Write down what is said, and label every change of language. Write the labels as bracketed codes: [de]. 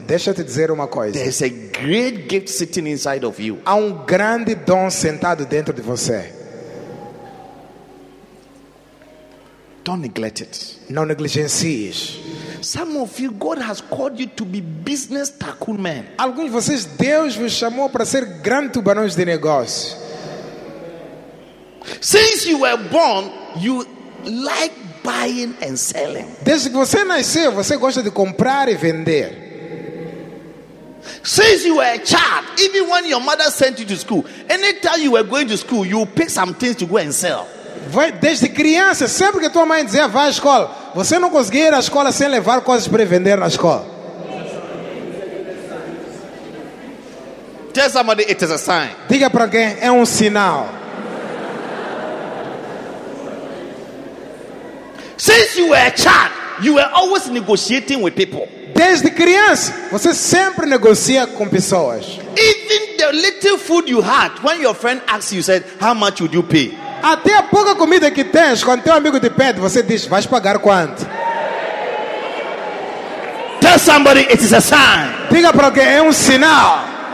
[pt] Deixa eu te dizer uma coisa. [en] There's a great gift sitting inside of you. [pt] Há grande dom sentado dentro de você. [en] Don't neglect it. [pt] Não negligencie. [en] Some of you, God has called you to be business tycoon men. [pt] Alguns de vocês, Deus vos chamou para ser grandes tubarões de negócio. [en] Since you were born, you like buying and selling. [pt] Desde que você nasceu, você gosta de comprar e vender. [en] Since you were a child, even when your mother sent you to school, anytime you were going to school, you pick some things to go and sell. [pt] Desde criança, sempre que tua mãe dizia vá à escola, você não conseguia ir à escola sem levar coisas para vender na escola. [en] Tell somebody it is a sign. [pt] Diga para alguém, é sinal. [en] Since you were a child, you were always negotiating with people. [pt] Desde criança, você sempre negocia com pessoas. [en] Even the little food you had, when your friend asks you, said, how much would you pay? [pt] Até a pouca comida que tens, quando teu amigo te pede, você diz, vais pagar quanto? [en] Tell somebody it is a sign. [pt] Diga para alguém, é sinal.